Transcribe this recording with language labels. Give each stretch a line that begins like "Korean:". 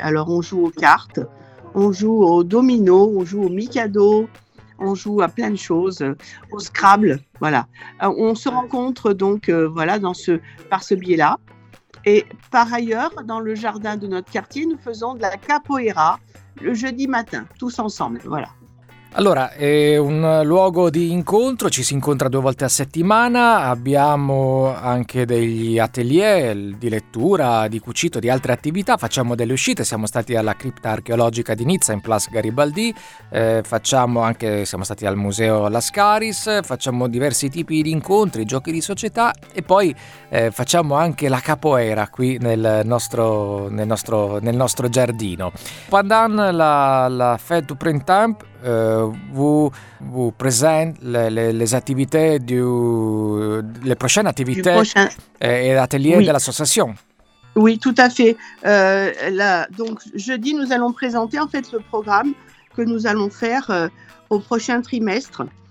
French: Alors, on joue aux cartes, on joue aux dominos, on joue au mikado, on joue à plein de choses, au Scrabble, voilà. On se rencontre donc par ce biais-là. Et par ailleurs, dans le jardin de notre quartier, nous faisons de la capoeira le jeudi matin, tous ensemble, voilà.
Italian: Allora, è un luogo di incontro, ci si incontra due volte a settimana, abbiamo anche degli atelier di lettura, di cucito, di altre attività, facciamo delle uscite, siamo stati alla cripta archeologica di Nizza in Place Garibaldi, siamo stati al museo Lascaris, facciamo diversi tipi di incontri, giochi di società e poi facciamo anche la capoeira qui nel nostro giardino.
French: Pendant la fête du printemps, vous présente les activités les prochaines activités et l'atelier de l'association. Oui, tout à fait. Donc jeudi, nous allons présenter en fait le programme que nous allons faire au prochain trimestre.